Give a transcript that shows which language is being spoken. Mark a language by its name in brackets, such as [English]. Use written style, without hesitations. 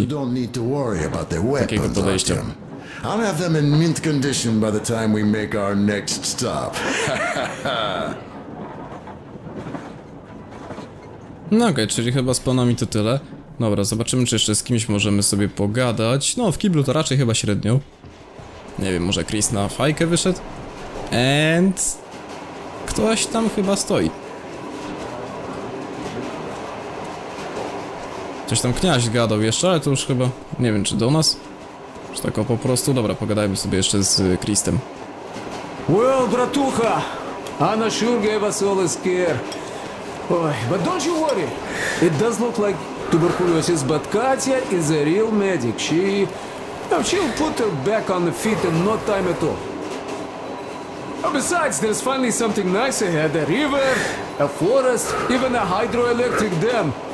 [English] You don't need to worry about their weapons, Artyom. I'll have them in mint condition by the time we make our next stop. [Polish] No okej, czyli chyba z panami to tyle. Dobra, zobaczymy, czy jeszcze z kimś możemy sobie pogadać. No, w kiblu to raczej chyba średnio. Nie wiem, może Chris na fajkę wyszedł? And... ktoś tam chyba stoi. Coś tam Kniaś gadał jeszcze, ale to już chyba... nie wiem, czy do nas? Czy tak o po prostu? Dobra, pogadajmy sobie jeszcze z Christem. [English] Well, bratucha! Anna sure gave us all a scare. Oj, but don't you worry! It does look like tuberculosis, but Katia is a real medic. She'll put her back on the feet in no time at all. And besides, there's finally something nice ahead. A river, a forest, even a hydroelectric dam.